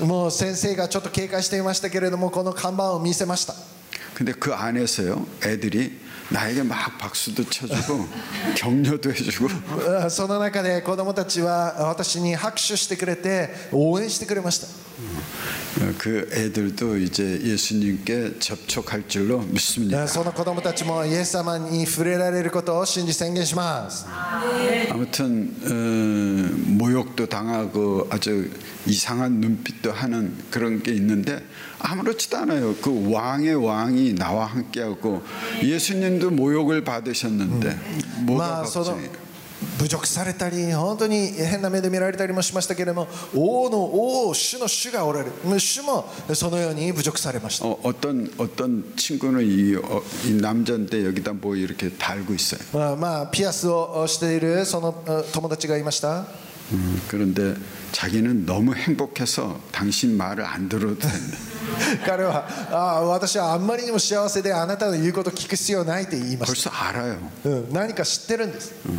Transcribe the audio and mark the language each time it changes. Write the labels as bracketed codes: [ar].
[ko] 뭐선생가 [ja] ちょっと警戒していましたけれどもこの看板を見せました。 [ko] 근데그안에서요애들이나에게막박수도쳐주고 격려도해주고 [ja] その中で子供たちは私に拍手してくれて応援してくれました。 [ko] 그애들도이제예수님께접촉할줄로믿습니다。 [ja] その子供たちもイエス様に触れられることを信じ宣言します。 [ko] 아무튼모욕도당하고아주이상한눈빛도하는그런게있는데아무렇지도않아요。 그왕의왕이나와함께하고예수님도모욕을받으셨는데뭐가걱정이에요。 [ja] 侮辱されたり本当に変な目で見られたりもしましたけれども、王の王主の主がおられる、主もそのように侮辱されました。 [ko] 어떤친구는 이남잔데여기다뭐이렇게달고있어요。 [ja] ピアスをしているその友達がいました。 [ko] 그런데자기는너무행복해서당신말을안들어도된다。 [ja] 彼は私はあんまりにも幸せであなたの言うこと聞く必要ないと言いました。 [ko] 벌써알아요。 [ja] 何か知ってるんです。